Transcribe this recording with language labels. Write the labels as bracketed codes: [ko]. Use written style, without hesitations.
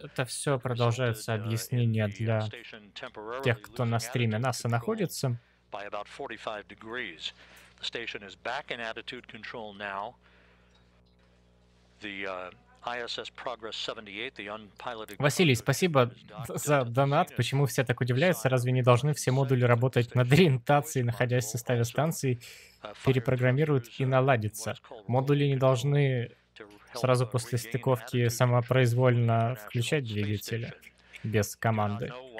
[ru] Это все продолжается объяснение для тех, кто на стриме NASA находится. [en] By about 45 degrees. The station is back in attitude control now. The ISS Progress 78, the unpiloted... [ru] Василий, спасибо за донат. Почему все так удивляются? Разве не должны все модули работать над ориентацией, находясь в составе станции, перепрограммируют и наладятся? Модули не должны сразу после стыковки самопроизвольно включать двигатели без команды.